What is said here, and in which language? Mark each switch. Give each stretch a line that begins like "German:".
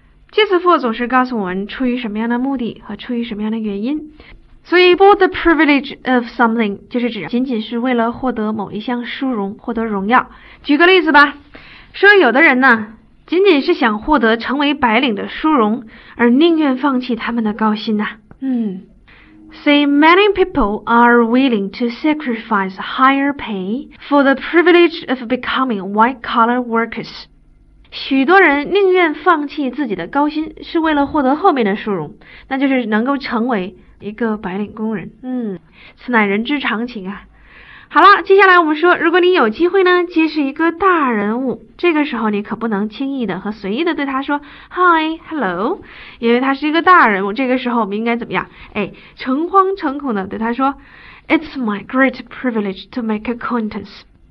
Chinese: 介词 for 总是告诉我们出于什么样的目的和出于什么样的原因，所以
English: for the privilege of something
Chinese: 就是指仅仅是为了获得某一项殊荣，获得荣耀。举个例子吧，说有的人呢仅仅是想获得成为白领的殊荣，而宁愿放弃他们的高薪呐。
English: See, many people are willing to sacrifice higher pay for the privilege of becoming white-collar workers.
Chinese: 许多人宁愿放弃自己的高薪，是为了获得后面的殊荣，那就是能够成为一个白领工人。此乃人之常情啊。好了，接下来我们说，如果你有机会呢，结识一个大人物，这个时候你可不能轻易的和随意的对他说
English: Hi, Hello,
Chinese: 因为他是一个大人物，这个时候我们应该怎么样？诚惶诚恐的对他说
English: It's my great privilege to make acquaintance.